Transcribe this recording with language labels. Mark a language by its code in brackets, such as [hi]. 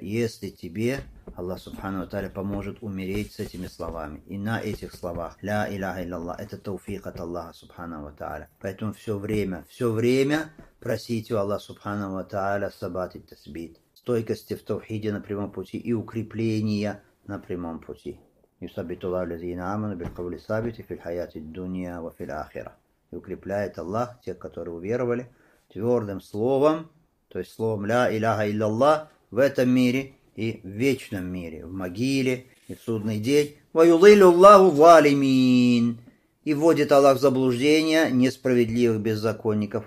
[ru] Если тебе Аллах Субхану ва Тааля поможет умереть с этими словами, и на этих словах, ля иляха илляллах, это тауфик от Аллаха Субхану ва Тааля. Поэтому все время просите у Аллаха Субхану ва Тааля сабат и тасбит, стойкости в тавхиде на прямом пути и укрепления на прямом пути. [ar] يثبت الله الذين آمنوا بالقول الثابت في الحياة الدنيا وفي الآخرة. [ru] يكرّبляет الله тех, которые уверовали твердым словом, то есть словом ля иляха илляллах в этом мире и в вечном мире, в могиле и в судный день. [ar] ويضل الله الظالمين. [ru] И вводит Аллах в заблуждение несправедливых беззаконников.